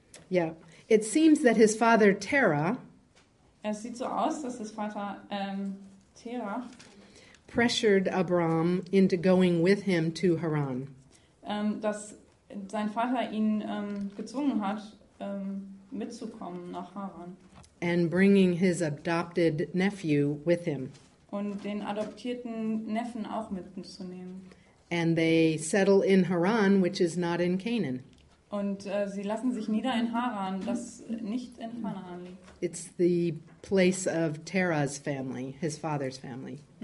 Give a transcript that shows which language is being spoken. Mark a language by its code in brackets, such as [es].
[en] Yeah. It seems that his father Terah. [de] Es sieht so aus, dass his Vater Terah [en] pressured Abram into going with him to Haran. [de] Dass sein Vater ihn gezwungen hat, mitzukommen nach Haran. [en] And bringing his adopted nephew with him. [de] Und den adoptierten Neffen auch mitzunehmen. [en] And they settle in Haran, which is not in Canaan. [de] Und sie lassen sich nieder in Haran, das nicht in Kanaan liegt. [en] It's the place of Terah's family, his father's family.